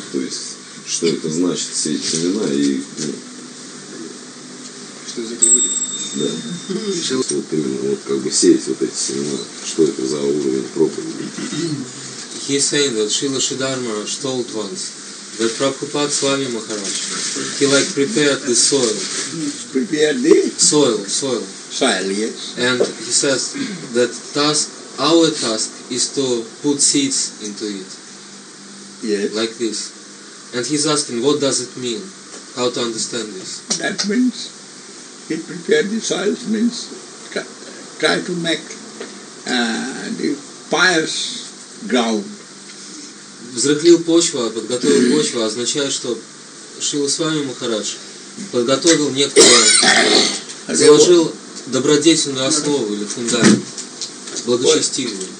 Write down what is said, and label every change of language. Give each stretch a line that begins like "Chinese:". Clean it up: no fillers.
Russian: То есть, что это значит сеять семена и. Что из этого выйдет? Да. Сейчас вот именно вот как бы сеять вот эти семена. Что это за уровень проповеди?
English: He said that Srila Siddharma told once that Prabhupada Swami Maharaj, he like prepared the soil. Prepared the? Soil. Soil, yes. And he says that our task is to put seeds into it. Yes. Like this. And he's asking, what does it mean? How to understand this? That means, he prepared the soil, means try to make the pious ground.
Russian: Взрыхлил почву, подготовил почву, означает, что Шрила Свами Махарадж подготовил заложил добродетельную основу или фундамент, благочестивую.